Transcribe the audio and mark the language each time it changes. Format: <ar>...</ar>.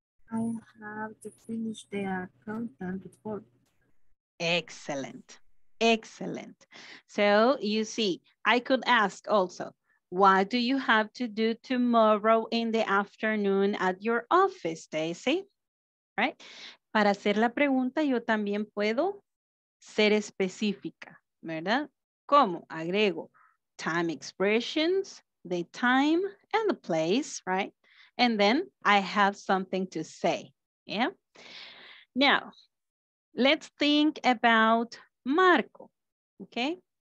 <en>I have to finish the accountant report. Excellent. Excellent. So you see, I could ask also, what do you have to do tomorrow in the afternoon at your office, Daisy? Right?</en> <es>Para hacer la pregunta, yo también puedo ser específica, ¿verdad? ¿Cómo? Agrego</es> <en>time expressions, the time, and the place, right? And then I have something to say, yeah? Now, let's think about Marco, okay?</en>